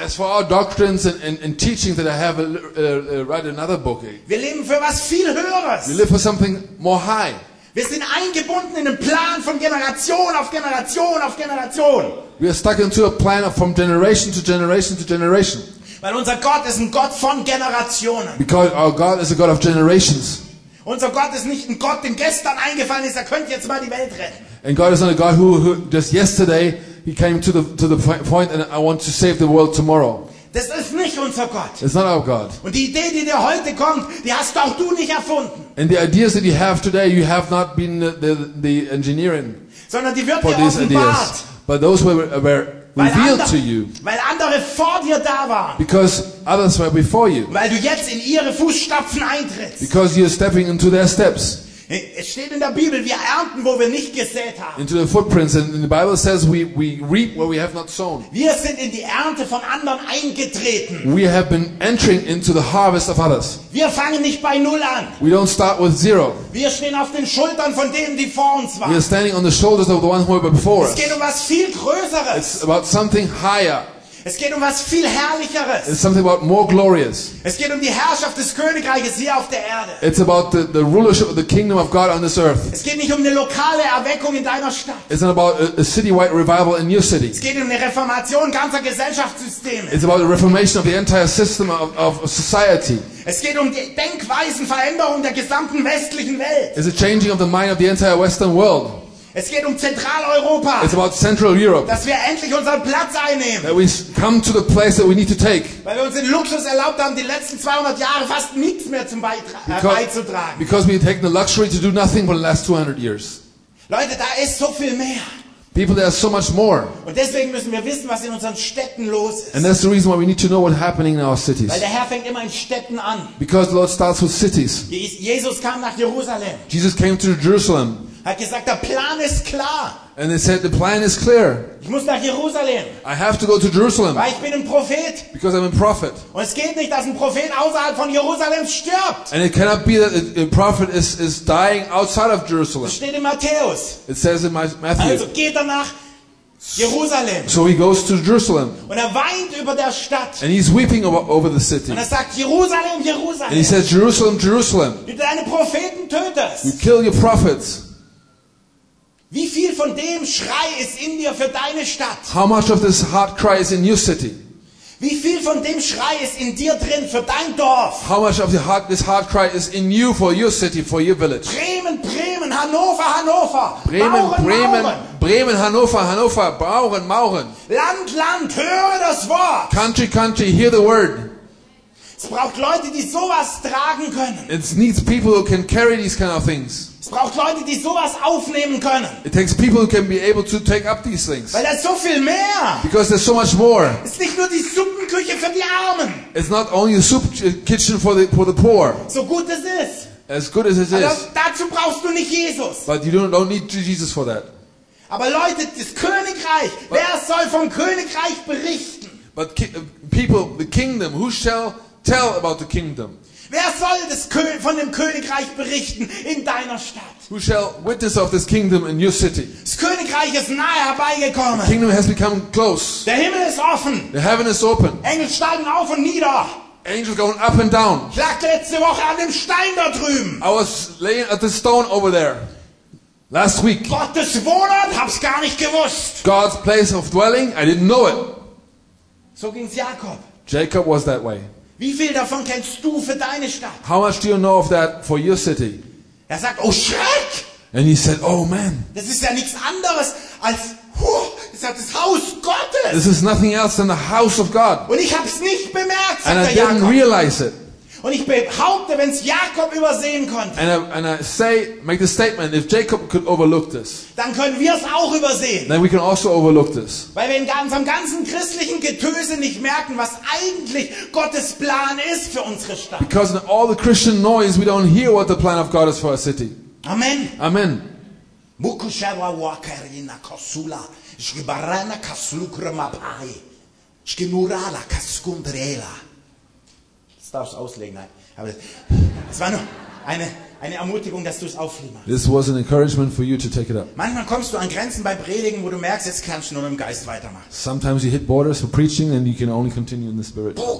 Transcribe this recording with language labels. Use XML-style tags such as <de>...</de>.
<en>As for our doctrines and teachings that I have read another book.</en> <de>Wir leben für was viel Höheres.</de> <en>We live for something more high.</en> <de>Wir sind eingebunden in den Plan von Generation auf Generation auf Generation.</de> <en>We are stuck into a plan from generation to generation to generation.</en> <de>Weil unser Gott ist ein Gott von Generationen.</de> <en>Because our God is a God of generations.</en> <de>Unser Gott ist nicht ein Gott, dem gestern eingefallen ist, er könnte jetzt mal die Welt retten.</de> <en>And God is not a God who just yesterday he came to the point and I want to save the world tomorrow.</en> <de>Das ist nicht unser Gott.</de> <en>It's not our God.</en> <de>Und die Idee, die dir heute kommt, die hast auch du nicht erfunden.</de> <en>And the ideas that you have today, you have not been the engineering.</en> <de>Sondern die wird dir offenbart.</de> <en>But those were revealed to you.</en> <de>Weil andere vor dir da waren.</de> <en>Because others were before you.</en> <de>Weil du jetzt in ihre Fußstapfen eintrittst.</de> <en>Because you're stepping into their steps.</en> <de>Es steht in der Bibel, wir ernten, wo wir nicht gesät haben.</de> <en>Into the footprints, and the Bible says we reap where we have not sown.</en> <de>Wir sind in die Ernte von anderen eingetreten.</de> <en>We have been entering into the harvest of others.</en> <de>Wir fangen nicht bei null an.</de> <en>We don't start with zero.</en> <de>Wir stehen auf den Schultern von denen, die vor uns waren.</de> <en>We are standing on the shoulders of the ones who were before us.</en> <de>Es geht um was viel Größeres.</de> <en>It's about something higher.</en> <de>Es geht um was viel Herrlicheres.</de> <en>It's something about more glorious.</en> <de>Es geht um die Herrschaft des Königreiches hier auf der Erde.</de> <en>It's about the rulership of the kingdom of God on this earth.</en> <de>Es geht nicht um eine lokale Erweckung in deiner Stadt.</de> <en>It's not about a citywide revival in your city.</en> <de>Es geht um eine Reformation ganzer Gesellschaftssysteme.</de> <en>It's about the reformation of the entire system of society.</en> <de>Es geht um die Denkweisenveränderung der gesamten westlichen Welt.</de> <en>It's a changing of the mind of the entire Western world.</en> <de>Es geht um Zentraleuropa.</de> <en>It's about Central Europe.</en> <de>Dass wir endlich unseren Platz einnehmen.</de> <en>That we come to the place that we need to take.</en> <de>Weil wir uns den Luxus erlaubt haben, die letzten 200 Jahre fast nichts mehr zum beizutragen.</de> <en>Because we have taken the luxury to do nothing for the last 200 years.</en> <de>Leute, da ist so viel mehr.</de> <en>People, there are so much more.</en> <de>Und deswegen müssen wir wissen, was in unseren Städten los ist.</de> <en>And that's the reason why we need to know what's happening in our cities.</en> <de>Weil der Herr fängt immer in Städten an.</de> <en>Because the Lord starts with cities.</en> <de>Jesus kam nach Jerusalem.</de> <en>Jesus came to Jerusalem.</en> <de>Hat gesagt, der Plan ist klar.</de> <en>And they said, the plan is clear.</en> <de>Ich muss nach Jerusalem.</de> <en>I have to go to Jerusalem.</en> <de>Weil ich bin ein Prophet.</de> <en>Because I'm a prophet.</en> <de>Und es geht nicht, dass ein Prophet außerhalb von Jerusalem stirbt.</de> <en>And it cannot be that a prophet is dying outside of Jerusalem.</en> <de>Das steht in Matthäus.</de> <en>It says in Matthew.</en> <de>Also geht er nach Jerusalem.</de> <en>So he goes to Jerusalem.</en> <de>Und er weint über der Stadt.</de> <en>And he's weeping over the city.</en> <de>Und er sagt, Jerusalem, Jerusalem.</de> <en>And he says, Jerusalem, Jerusalem.</en> <de>Du deine Propheten tötest.</de> <en>You kill your prophets.</en> <de>Wie viel von dem Schrei ist in dir für deine Stadt?</de> <en>How much of this heart cry is in your city?</en> <de>Wie viel von dem Schrei ist in dir drin für dein Dorf?</de> <en>How much of this heart cry is in you for your city, for your village?</en> <de>Bremen, Bremen, Hannover, Hannover.</de> <en>Bremen, Bremen, Bremen, Hannover, Hannover. Mauren, Mauren.</en> <de>Land, Land, höre das Wort.</de> <en>Country, country, hear the word.</en> <de>Es braucht Leute, die sowas tragen können.</de> <en>It needs people who can carry these kind of things.</en> <de>Es braucht Leute, die sowas aufnehmen können.</de> <en>It takes people who can be able to take up these things.</en> <de>Weil da ist so viel mehr.</de> <en>Because there's so much more.</en> <de>Es ist nicht nur die Suppenküche für die Armen.</de> <en>It's not only a soup kitchen for the poor.</en> <de>So gut es ist.</de> <en>As good as it is.</en> <de>Aber dazu brauchst du nicht Jesus.</de> <en>But you don't need Jesus for that.</en> <de>Aber Leute, das Königreich. But, wer soll vom Königreich berichten?</de> <en>But people, the kingdom, who shall tell about the kingdom?</en> <de>Wer soll das von dem Königreich berichten in deiner Stadt?</de> <en>Who shall witness of this kingdom in your city?</en> <de>Das Königreich ist nahe herbeigekommen.</de> <en>The kingdom has become close.</en> <de>Der Himmel ist offen.</de> <en>The heaven is open.</en> <de>Engel steigen auf und nieder.</de> <en>Angels going up and down.</en> <de>Ich lag letzte Woche an dem Stein da drüben.</de> <en>I was laying at the stone over there. last week.</en> <de>Gottes Wohnort, hab's gar nicht gewusst.</de> <en>God's place of dwelling, I didn't know it.</en> <de>So ging's Jakob.</de> <en>Jacob was that way.</en> <de>Wie viel davon kennst du für deine Stadt?</de> <en>How much do you know of that for your city?</en> <de>Er sagt, oh Schreck!</de> <en>And he said, oh man.</en> <de>Das ist ja nichts anderes als das Haus Gottes.</de> <en>This is nothing else than the house of God.</en> <de>Und ich hab's nicht bemerkt, sagt</de> <en>And I</en> <de>der Jakob.</de> <en>Didn't realize it.</en> <de>Und ich behaupte, wenn es Jakob übersehen konnte,</de> <en>make the statement, if Jacob could overlook this,</en> <de>dann können wir es auch übersehen.</de> <en>Then we can also overlook this.</en> <de>Weil wir in unserem ganzen christlichen Getöse nicht merken, was eigentlich Gottes Plan ist für unsere Stadt.</de> <en>Because in all the Christian noise, we don't hear what the plan of God is for our city.</en> <de>Amen.</de> <en>Amen. Mukushawa wakarina kosula, shibarana kaslukramapai, shkinurala kaskundrela.</en> <de>Darfst auslegen, nein. Aber es war nur eine Ermutigung, dass du es aufnimmst.</de> <en>This was an encouragement for you to take it up.</en> <de>Manchmal kommst du an Grenzen beim Predigen, wo du merkst, jetzt kannst du nur im Geist weitermachen.</de> <en>Sometimes you hit borders for preaching and you can only continue in the spirit.</en>